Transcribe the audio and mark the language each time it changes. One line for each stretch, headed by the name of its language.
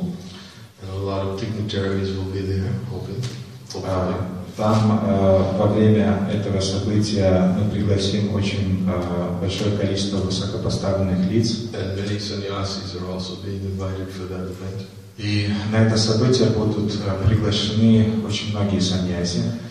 English: And a lot of dignitaries will be there, hopefully.
Russian: Там во время этого события мы пригласим очень большое количество высокопоставленных лиц.
English: And many sannyasis are also being invited for that event.
Russian: И на это событие будут приглашены очень многие саньяси.